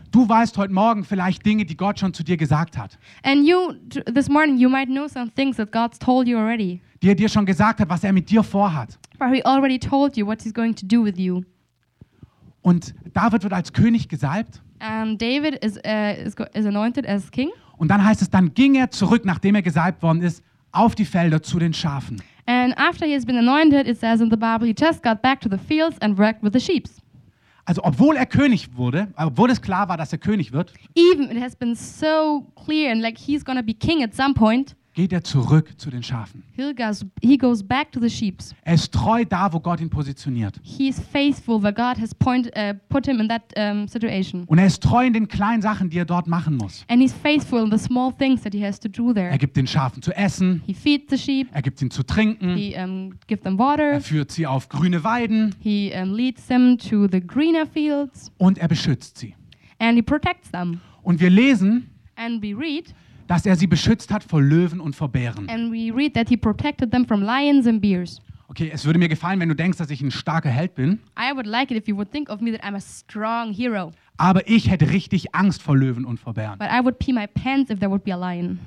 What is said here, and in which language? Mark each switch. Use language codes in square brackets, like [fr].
[de] Du weißt heute Morgen vielleicht Dinge, die Gott schon zu dir gesagt hat. [en] And you, this morning, you might know some things that God's told you already. [de] Die er dir schon gesagt hat, was er mit dir vorhat. [en] But he already told you what he's going to do with you. [de] Und David wird als König gesalbt. [en] And David is anointed as king. [de] Und dann heißt es, dann ging er zurück, nachdem er gesalbt worden ist, auf die Felder zu den Schafen. [en] And after he has been anointed, it says in the Bible, he just got back to the fields and worked with the sheep. [de] Also obwohl er König wurde, obwohl es klar war, dass er König wird, [en] even it has been so clear and like he's gonna be king at some point, [de] geht er zurück zu den Schafen. [en] He goes back to the sheep. [de] Er ist treu da, wo Gott ihn positioniert. [en] He is faithful where God has put him in that situation. [de] Und er ist treu in den kleinen Sachen, die er dort machen muss. [en] And he's faithful in the small things that he has to do there. [de] Er gibt den Schafen zu essen. [en] He feeds the sheep. [de] Er gibt ihnen zu trinken. [en] He gives them water. [de] Er führt sie auf grüne Weiden. [en] He leads them to the greener fields. [de] Und er beschützt sie. [en] And he protects them. [de] Und wir lesen. [en] And we read. [de] Dass er sie beschützt hat vor Löwen und vor Bären. [en] And we read that he protected them from lions and bears. [de] Okay, es würde mir gefallen, wenn du denkst, dass ich ein starker Held bin. [en] I would like it if you would think of me that I'm a strong hero. [de] Aber ich hätte richtig Angst vor Löwen und vor Bären. [en] But I would pee my pants if there would be a lion.